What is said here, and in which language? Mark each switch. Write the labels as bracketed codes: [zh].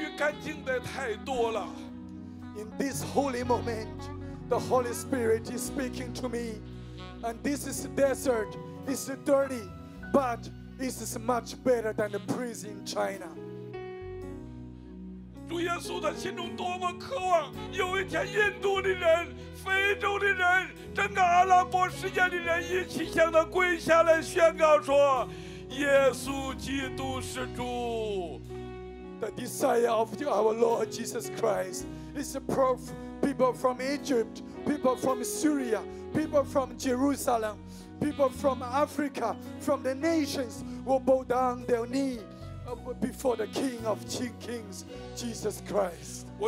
[zh] 虽然我们是带到隐基底的旷野、犹大的旷野，可是神仍然对我说：“孩子，这个比监狱干净的太多了。” [en] In this holy moment, the Holy Spirit is speaking to me. And this is a desert, it's dirty, but this is much better than the prison in China. [zh] 主耶稣的心中多么渴望，有一天印度的人、非洲的人、整个阿拉伯世界的人一起向他跪下来宣告说：“耶稣基督是主。” [en] The desire of our Lord Jesus Christ is proof people from Egypt, people from Syria, people from Jerusalem, people from Africa, from the nations will bow down their knee before the King of Kings, Jesus Christ.